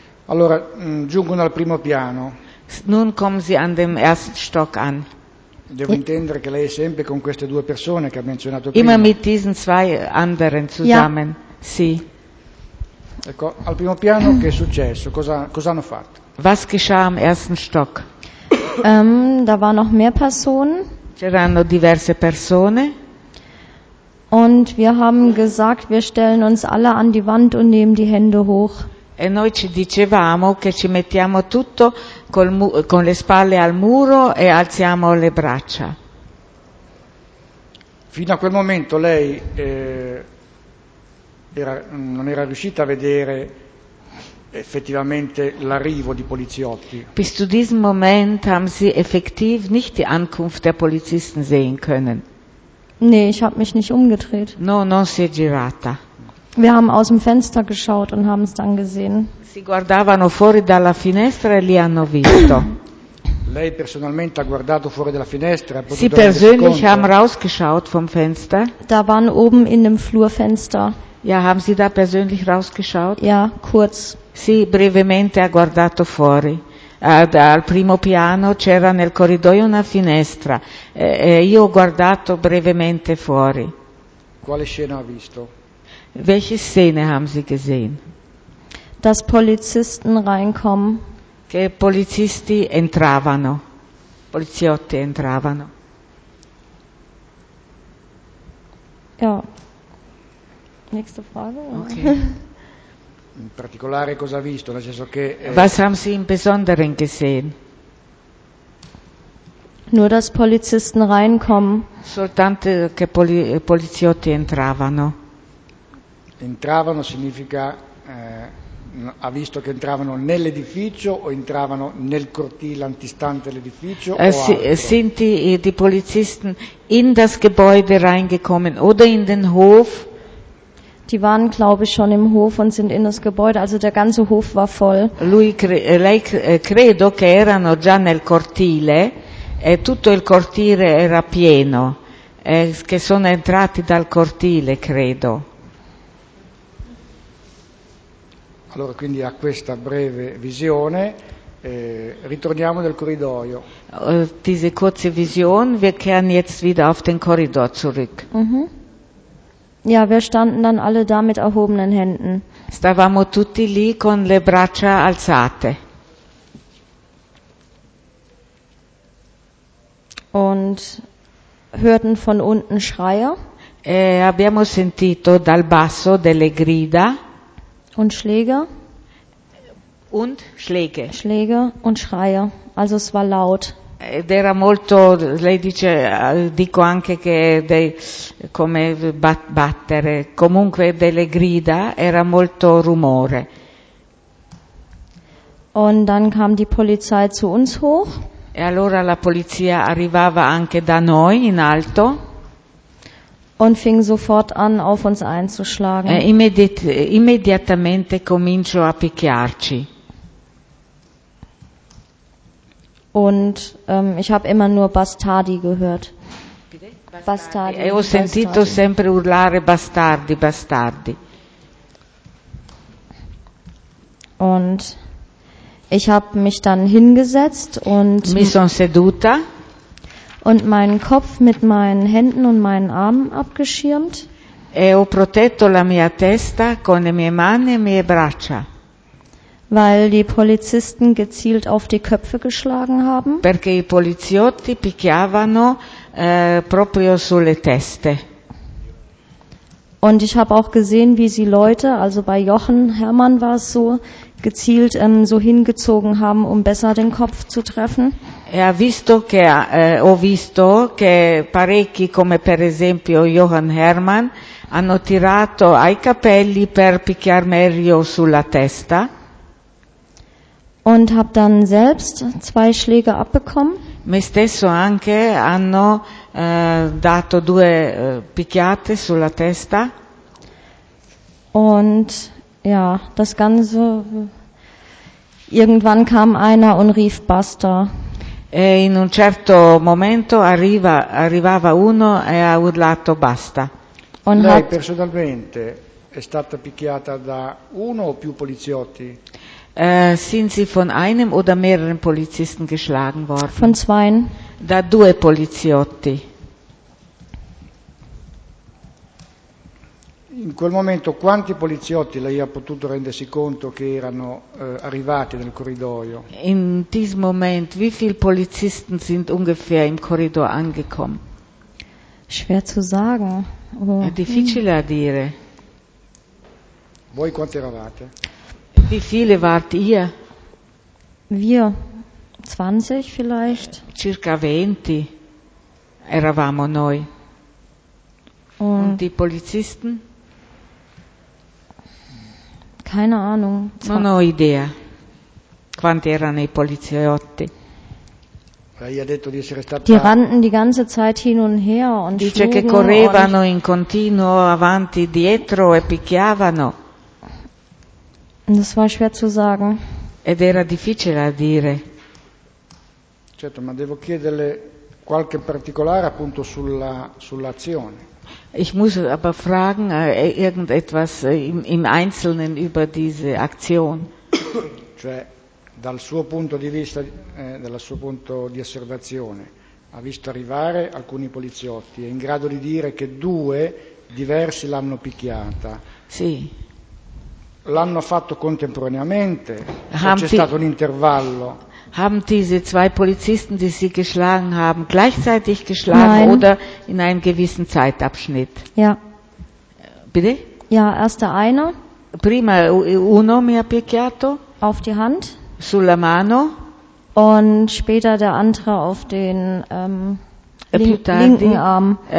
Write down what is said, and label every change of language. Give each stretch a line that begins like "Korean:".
Italian: Allora, giungono al primo piano.
German: Nun kommen Sie an dem ersten Stock an.
Italian: Devo intendere che lei è sempre con queste due persone che ha menzionato prima.
German: Immer mit diesen zwei anderen zusammen. Ja.
Italian: Sì. Ecco, al primo piano che è successo? Cosa hanno fatto?
German: Was geschah am ersten Stock? Da war noch mehr Personen.
Italian: C'erano diverse persone.
German: Und wir haben gesagt, wir stellen uns alle an die Wand und nehmen die Hände hoch.
Italian: E noi ci dicevamo che ci mettiamo tutto con le spalle al muro e alziamo le braccia. Fino a quel momento lei non era riuscita a vedere effettivamente l'arrivo di poliziotti.
German: Bis zu diesem Moment haben sie effektiv nicht die Ankunft der Polizisten sehen können. Nee, ich habe mich nicht umgedreht.
Italian: No, non si è girata.
German: Wir haben aus dem Fenster geschaut und haben es dann gesehen.
Italian: Si guardavano fuori dalla finestra e li hanno visto. Lei personalmente ha guardato fuori dalla finestra.
German: Sie persönlich haben rausgeschaut vom Fenster. Da waren oben in dem Flurfenster. Ja, haben Sie da persönlich rausgeschaut? Ja, kurz.
Italian: Sì, brevemente ha guardato fuori. Al primo piano c'era nel corridoio una finestra. Io ho guardato brevemente fuori. Quale scena ha visto?
German: Welche Szene haben Sie gesehen? Dass Polizisten reinkommen.
Italian: Che polizisti entravano. Poliziotti entravano.
German: Ja. Nächste Frage. Okay.
Italian: In particolare cosa ha visto? Nel senso che,
German: Was haben Sie im Besonderen gesehen? Nur, dass Polizisten reinkommen.
Italian: Soltanto che poliziotti entravano. Entravano significa ha visto che entravano nell'edificio o entravano nel cortile antistante l'edificio o altro?
German: Sind die Polizisten in das Gebäude reingekommen oder in den Hof? Die waren, glaube ich, schon im Hof und sind in das Gebäude. Also der ganze Hof war voll.
Italian: Lei credo che erano già nel cortile e tutto il cortile era pieno. Che sono entrati dal cortile, credo. Allora, quindi a questa breve visione, ritorniamo nel corridoio.
German: Diese kurze Vision, wir kehren jetzt wieder auf den Korridor zurück. Ja, wir standen dann alle da mit erhobenen Händen.
Italian: Stavamo tutti lì con le braccia alzate.
German: Und hörten von unten Schreie.
Italian: E abbiamo sentito dal basso delle grida.
German: Und Schläge. Und Schläge. Schläge und Schreie. Also es war laut.
Italian: Ed era molto, lei dice, dico anche che dei, come battere, comunque delle grida, era molto rumore.
German: Und dann kam die Polizei zu uns hoch.
Italian: E allora la polizia arrivava anche da noi in alto.
German: Und fing sofort an auf uns einzuschlagen.
Italian: E immediatamente cominciò a picchiarci.
German: Und ich habe immer nur Bastardi gehört.
Italian: Bastardi. E ho sentito sempre urlare bastardi, bastardi.
German: Und ich habe mich dann hingesetzt und
Italian: mi son seduta
German: und meinen Kopf mit meinen Händen und meinen Armen abgeschirmt.
Italian: E ho protetto la mia testa con le mie mani e le mie braccia.
German: Weil die Polizisten gezielt auf die Köpfe geschlagen haben.
Italian: Perché i poliziotti picchiavano proprio sulle teste.
German: Und ich habe auch gesehen, wie sie Leute, also bei Jochen Herrmann war es so, gezielt so hingezogen haben, um besser den Kopf zu treffen.
Italian: E ho visto che parecchi, come per esempio Jochen Herrmann, hanno tirato ai capelli per picchiar meglio sulla testa.
German: Und habe dann selbst zwei Schläge abbekommen.
Italian: Me stesso anche hanno dato due picchiate sulla testa.
German: Und ja, das Ganze, irgendwann kam einer und rief Basta.
Italian: E in un certo momento arrivava uno e ha urlato Basta.
German: Und
Italian: lei personalmente è stata picchiata da uno o più poliziotti?
German: Sind Sie von einem oder mehreren Polizisten geschlagen worden? Von zweien.
Italian: Da due poliziotti. In quel momento quanti poliziotti lei ha potuto rendersi conto che erano arrivati nel corridoio?
German: In diesem Moment, wie viele Polizisten sind ungefähr im Corridoio angekommen? Schwer zu sagen.
Italian: Oh. È difficile a dire. Voi quanti eravate?
German: Wie viele wart ihr? Wir, 20 vielleicht.
Italian: Circa 20 eravamo noi.
German: Und die Polizisten? Keine Ahnung.
Italian: Non ho idea quanti erano i poliziotti. Lei ha detto di essere stata...
German: Die rannten die ganze Zeit hin und her und
Italian: dice
German: schlugen.
Italian: Dice che correvano in continuo avanti, dietro e picchiavano.
German: Und das war schwer zu sagen.
Italian: Ed era difficile a dire. Certo, ma devo chiederle qualche particolare appunto sull'azione.
German: Ich muss aber fragen irgendetwas im Einzelnen über diese Aktion.
Italian: Cioè, dal suo punto di vista, dal suo punto di osservazione, ha visto arrivare alcuni poliziotti, è in grado di dire che due diversi l'hanno picchiata. Sì. L'hanno fatto contemporaneamente, c'è stato un intervallo.
German: Haben diese zwei Polizisten, die sie geschlagen haben, gleichzeitig geschlagen? Nein. Oder in einem gewissen Zeitabschnitt? Ja. Bitte? Ja, erst der eine.
Italian: Prima uno mi ha picchiato.
German: Auf die Hand.
Italian: Sulla mano.
German: Und später der andere auf den linken Arm.